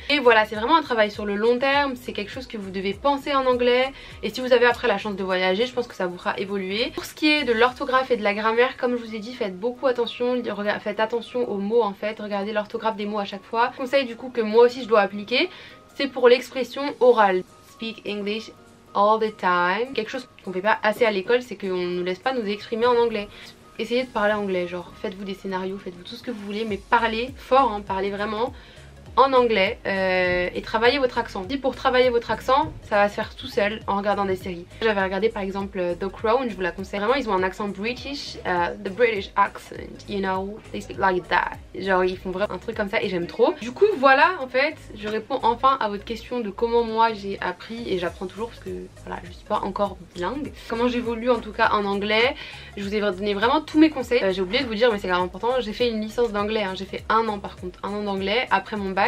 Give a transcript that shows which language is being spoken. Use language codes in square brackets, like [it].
[fr] Et voilà, c'est vraiment un travail sur le long terme, c'est quelque chose que vous devez penser en anglais. Et si vous avez après la chance de voyager, je pense que ça vous fera évoluer. Pour ce qui est de l'orthographe et de la grammaire, comme je vous ai dit, faites beaucoup attention, faites attention aux mots en fait, regardez l'orthographe des mots à chaque fois. Conseil du coup que moi aussi je dois appliquer, c'est pour l'expression orale. [en] Speak English all the time. [fr] Quelque chose qu'on fait pas assez à l'école, c'est qu'on nous laisse pas nous exprimer en anglais. Essayez de parler anglais, genre faites-vous des scénarios, faites-vous tout ce que vous voulez, mais parlez fort, hein, parlez vraiment en anglais et travaillez votre accent. Si pour travailler votre accent, ça va se faire tout seul en regardant des séries. J'avais regardé par exemple The Crown, je vous la conseille. Vraiment, ils ont un accent British, [en] the British accent, you know, they speak like that. [fr] Genre, ils font vraiment un truc comme ça et j'aime trop. Du coup, voilà, en fait, je réponds enfin à votre question de comment moi j'ai appris et j'apprends toujours parce que, voilà, je suis pas encore bilingue. Comment j'évolue en tout cas en anglais, je vous ai donné vraiment tous mes conseils. J'ai oublié de vous dire, mais c'est grave important, j'ai fait une licence d'anglais, hein. J'ai fait un an par contre, un an d'anglais après mon bac.